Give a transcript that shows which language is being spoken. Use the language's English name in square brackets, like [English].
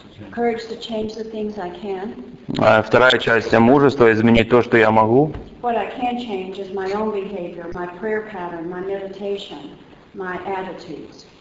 [English] Courage to change the things I can. [Russian] Вторая часть – мужество изменить то, что я могу. [English] What I can change is my own behavior, my prayer pattern, my meditation, my attitudes.